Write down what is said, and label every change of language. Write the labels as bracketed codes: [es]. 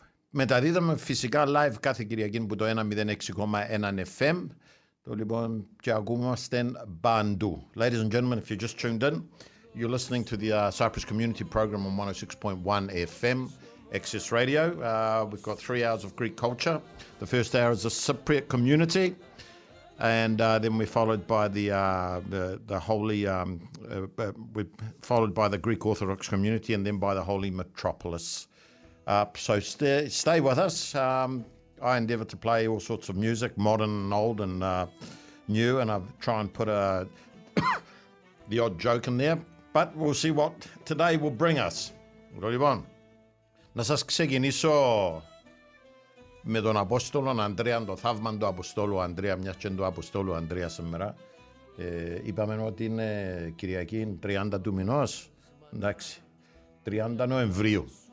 [el] Μεταδίδαμε φυσικά live κάθε Κυριακή που το 106,1 FM. Λοιπόν, και ακούμαστε παντού. [en] Ladies and gentlemen, if you just tuned in, you're listening to the Cyprus Community Program on 106.1 FM, Access Radio. We've got 3 hours of Greek culture. The first hour is the Cypriot community, and then we're followed by the Greek Orthodox community, and then by the Holy Metropolis. So stay with us. I endeavour to play all sorts of music, modern and old and new, and I try and put the odd joke in there. But we'll see what today will bring us. [el] Λοιπόν, να σας ξεκινήσω με τον Απόστολο Ανδρέα, το θαύμα του Αποστόλου Ανδρέα, μιας και του Αποστόλου Ανδρέα σήμερα. Είπαμε ότι είναι Κυριακή 30 του μηνός, εντάξει, 30 Νοεμβρίου.